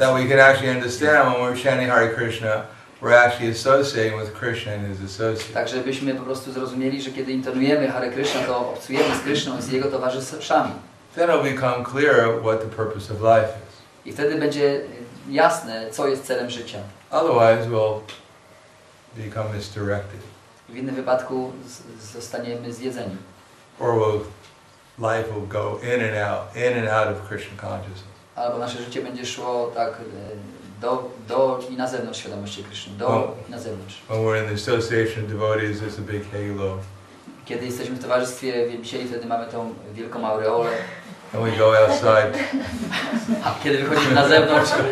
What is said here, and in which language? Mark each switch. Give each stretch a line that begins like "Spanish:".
English: That we can actually understand when we're chanting Hare Krishna, we're actually associating with Krishna and his associates.
Polish: Tak, żebyśmy po prostu zrozumieli, że kiedy intonujemy Hare Krishna, to obcujemy z Krishną i z jego towarzyszami.
English: Then it'll become clearer what the purpose of life is.
Polish: I wtedy będzie jasne, co jest celem życia.
English: Otherwise, we'll become misdirected.
Polish: W innym wypadku zostaniemy zjedzeni.
English: Or life will go in and out of Krishna consciousness.
Polish: Albo nasze życie będzie szło tak do i na zewnątrz świadomości Krishna, do i na zewnątrz.
English: When we're in the association of devotees, there's a big halo.
Polish: Kiedy jesteśmy w towarzystwie wielbicieli, wtedy mamy tą wielką aureolę.
English: And we go outside.
Polish: A kiedy wychodzimy na zewnątrz.